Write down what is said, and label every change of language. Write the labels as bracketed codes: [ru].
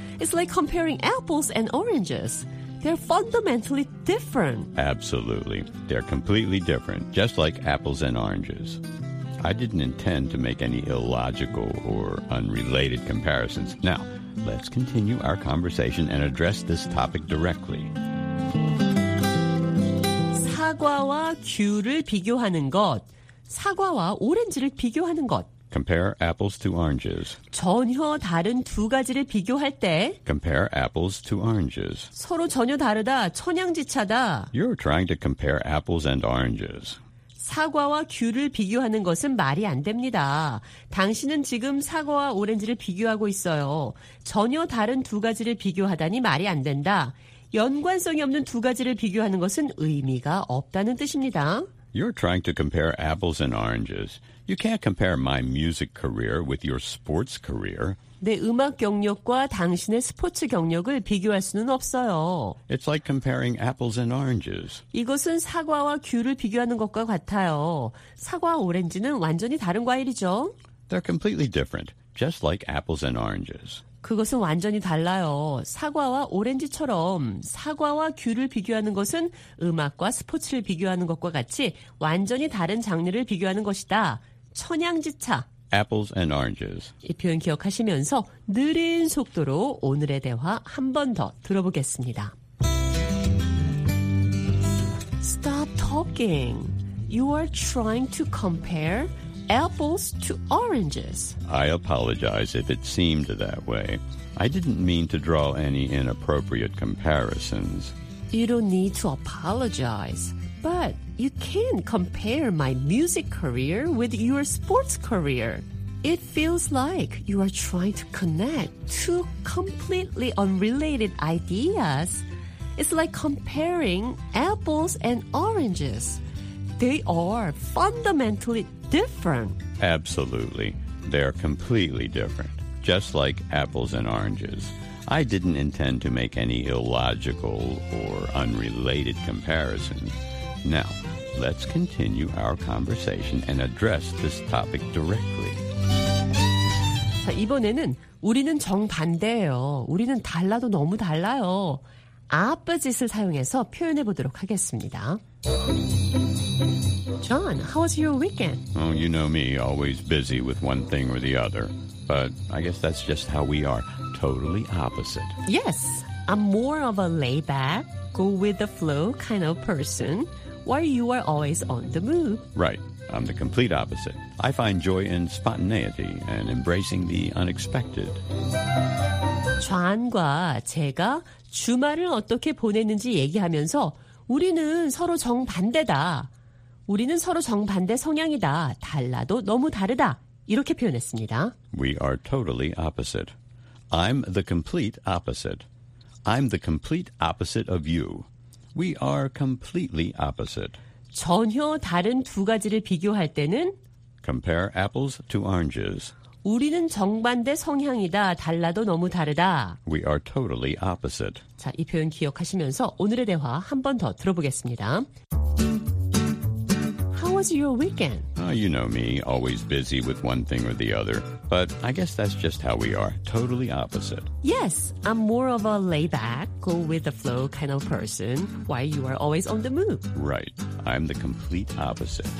[en] It's like comparing apples and oranges. They're fundamentally different. Absolutely. They're completely different, just like apples and oranges. I didn't intend to make any illogical or unrelated comparisons. Now, let's continue our conversation and address this topic directly. [ko] 사과와 귤을 비교하는 것, 사과와 오렌지를 비교하는 것. [en] Compare apples to oranges. [ko] 전혀 다른 두 가지를 비교할 때. [en] Compare apples to oranges. [ko] 서로 전혀 다르다, 천양지차다. [en] You're trying to compare apples and oranges. [ko] 사과와 귤을 비교하는 것은 말이 안 됩니다. 당신은 지금 사과와 오렌지를 비교하고 있어요. 전혀 다른 두 가지를 비교하다니 말이 안 된다. 연관성이 없는 두 가지를 비교하는 것은 의미가 없다는 뜻입니다. [en] You're trying to compare apples and oranges. You can't compare my music career with your sports career. [ko] 내 음악 경력과 당신의 스포츠 경력을 비교할 수는 없어요. [en] It's like comparing apples and oranges. [ko] 이것은 사과와 귤을 비교하는 것과 같아요. 사과와 오렌지는 완전히 다른 과일이죠. [en] They're completely different, just like apples and oranges. [ko] 그것은 완전히 달라요. 사과와 오렌지처럼 사과와 귤을 비교하는 것은 음악과 스포츠를 비교하는 것과 같이 완전히 다른 장르를 비교하는 것이다. 천양지차. [en] Apples and oranges. [ko] 이 표현 기억하시면서 느린 속도로 오늘의 대화 한 번 더 들어보겠습니다. [en] Stop talking. You are trying to compare apples to oranges. I apologize if it seemed that way. I didn't mean to draw any inappropriate comparisons. You don't need to apologize, but you can compare my music career with your sports career. It feels like you are trying to connect two completely unrelated ideas. It's like comparing apples and oranges. They are fundamentally different. Absolutely. They are completely different, just like apples and oranges. I didn't intend to make any illogical or unrelated comparisons. Now, let's continue our conversation and address this topic directly. [ko] 자, 이번에는 우리는 정반대예요. 우리는 달라도 너무 달라요. Opposite을 사용해서 표현해 보도록 하겠습니다. [en] John, how was your weekend? Oh, you know me, always busy with one thing or the other. But I guess that's just how we are, totally opposite. Yes, I'm more of a laid-back, go-with-the-flow kind of person, while you are always on the move. Right, I'm the complete opposite. I find joy in spontaneity and embracing the unexpected. [ko] John과 제가 주말을 어떻게 보냈는지 얘기하면서 우리는 서로 정반대다. 우리는 서로 정반대 성향이다. 달라도 너무 다르다. 이렇게 표현했습니다. [en] We are totally opposite. I'm the complete opposite. I'm the complete opposite of you. We are completely opposite. [ko] 전혀 다른 두 가지를 비교할 때는 [en] Compare apples to oranges. [ko] 우리는 정반대 성향이다. 달라도 너무 다르다. [en] We are totally opposite. [ko] 자, 이 표현 기억하시면서 오늘의 대화 한 번 더 들어보겠습니다. [en] Your weekend? Oh, you know me, always busy with one thing or the other. But I guess that's just how we are, totally opposite. Yes, I'm more of a laid-back, go-with-the-flow kind of person, while you are always on the move. Right, I'm the complete opposite.